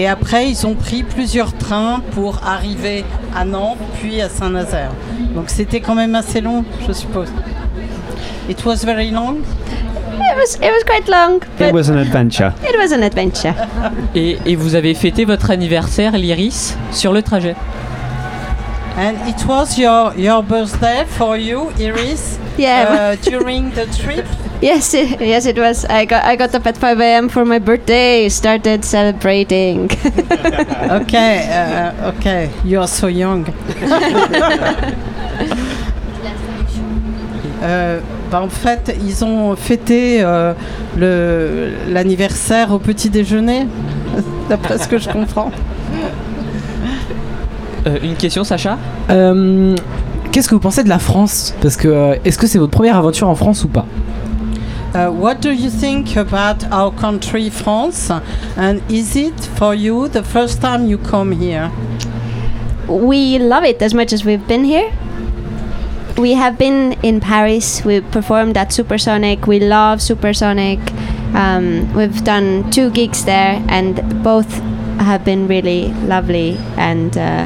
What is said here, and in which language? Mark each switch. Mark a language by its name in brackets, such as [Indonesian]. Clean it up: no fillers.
[French] Et après, ils ont pris plusieurs trains pour arriver à Nantes, puis à Saint-Nazaire. Donc c'était quand même assez long, je suppose. [English] It was very long? It was quite long. It was an adventure. It was an adventure. [French] Et vous avez fêté votre anniversaire, Liris, sur le trajet? [English] And it was your birthday for you, Iris. Yeah. during the trip. Yes, it was. I got up at 5 a.m. for my birthday. Started celebrating. Okay. You are so young. [French] en fait, ils ont fêté l'anniversaire au petit déjeuner, d'après ce que je comprends. Une question, Sacha. Qu'est-ce que vous pensez de la France? Parce que est-ce que c'est votre première aventure en France ou pas? [English] What do you think about our country, France? And is it for you the first time you come here? We love it as much as we've been here. We have been in Paris. We performed at Supersonic. We love Supersonic. We've done two gigs there, and both have been really lovely and.